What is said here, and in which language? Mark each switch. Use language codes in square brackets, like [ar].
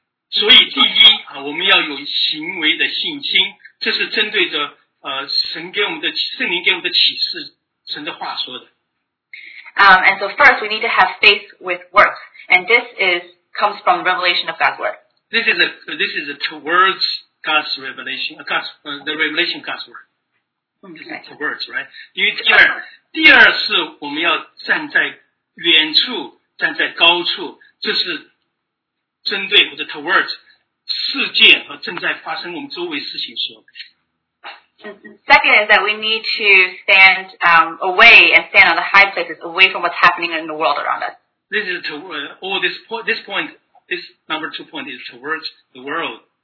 [zh] 所以第一、啊、我们要有行为的信心，这是针对着神给我们的圣灵给我们的启示。神的话说的。 [en] And so first, we need to have faith with works. And this is, comes from revelation of God's word. This is towards God's revelation, the revelation of God's word. Towards, right? [zh] 因为第二是我们要站在远处，站在高处，这是针对或者 [en] towards [zh] 事件和正在发生我们周围事情说的。 [en] Second is that we need to stand away and stand on the high places, away from what's happening in the world around us. This is this number two point is towards the world.